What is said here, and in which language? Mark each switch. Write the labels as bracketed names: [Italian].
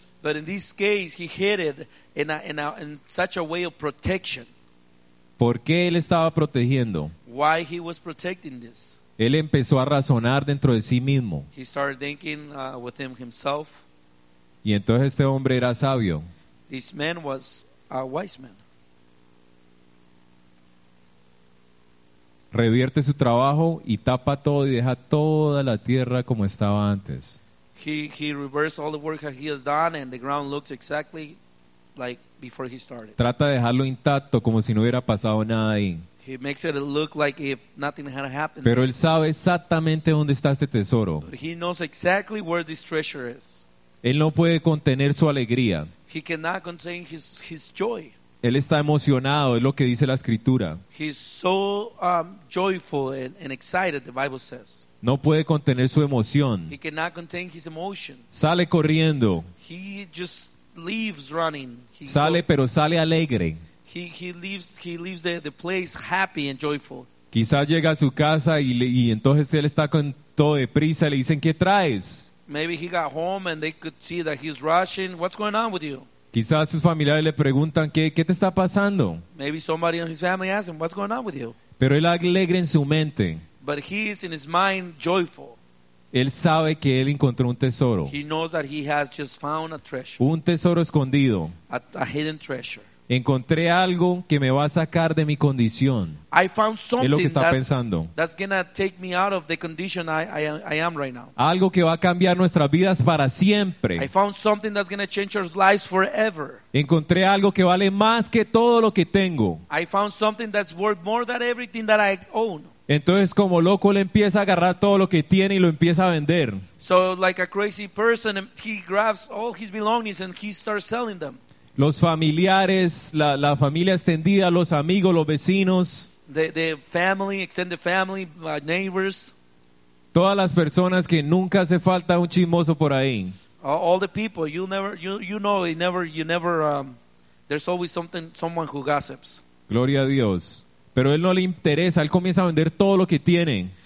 [English] But in this case he hid it in such a way of protection. [Spanish] ¿Por qué él estaba protegiendo? [English] Why he was protecting this? [Spanish] Él empezó a razonar dentro de sí mismo. [English] He started thinking within himself. [Spanish] Y entonces este hombre era sabio. [English] This man was a wise man. [Spanish] Revierte su trabajo y tapa todo y deja toda la tierra como estaba antes. [English] He reversed all the work that he has done and the ground looked exactly like before he started. [Spanish] Trata de dejarlo intacto como si no hubiera pasado nada ahí. [English] He makes it look like if nothing had happened. [Spanish] Pero él sabe exactamente dónde está este tesoro. [English] But he knows exactly where this treasure is. [Spanish] Él no puede contener su alegría. [English] He cannot contain his joy. [Spanish] Él está emocionado, es lo que dice la escritura. [English] He's so joyful and excited, the Bible says. [Spanish] No puede contener su emoción. [English] He cannot contain his emotion. [Spanish] Sale corriendo. [English] He just leaves running. [Spanish] Pero sale alegre. [English] He leaves the place happy and joyful. [Spanish] Quizás llega a su casa y entonces él está con todo de prisa. Le dicen, ¿qué traes? [English] Maybe he got home and they could see that he's rushing. What's going on with you? [Spanish] Quizás sus familiares le preguntan, ¿qué te está pasando? [English] Maybe somebody in his family asks him, what's going on with you? [Spanish] Pero él alegre en su mente. [English] But he is in his mind joyful. [Spanish] Él sabe que él encontró un tesoro. [English] He knows that he has just found a treasure. [Spanish] Un tesoro escondido. [English] A hidden treasure. [Spanish] Encontré algo que me va a sacar de mi condición. [English] I found something [Spanish] es lo que está pensando. [English] That's gonna take me out of the condition I am right now. [Spanish] Algo que va a cambiar nuestras vidas para siempre. [English] I found something that's gonna change our lives forever. [Spanish] Encontré algo que vale más que todo lo que tengo. [English] I found something that's worth more than everything that I own. [Spanish] Entonces, como loco, él empieza a agarrar todo lo que tiene y lo empieza a vender. [English] So like a crazy person, he grabs all his belongings and he starts selling them. [Spanish] Los familiares, la familia extendida, los amigos, los vecinos. [English] The family, extended family, neighbors. [Spanish] Todas las personas que nunca hace falta un chismoso por ahí. [English] All the people, there's always something, someone who gossips. [Spanish] Gloria a Dios. Pero él no le interesa, él comienza a vender todo lo que tiene.